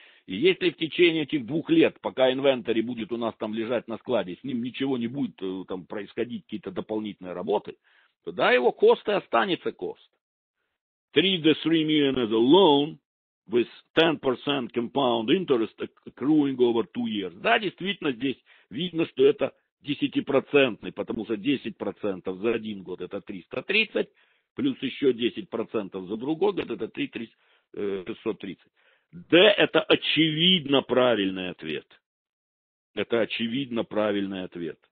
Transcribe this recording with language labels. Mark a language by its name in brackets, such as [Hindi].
[Russian] И если в течение этих двух лет, пока инвентарь будет у нас там лежать на складе, с ним ничего не будет там происходить, какие-то дополнительные работы, то да, его cost и останется cost. [English] $3 million as a loan with 10% compound interest accruing over 2 years. [Russian] Да, действительно, здесь видно, что это 10%, потому что 10% за один год это 330, плюс еще 10% за другой год это 330. Д – это очевидно правильный ответ. Это очевидно правильный ответ.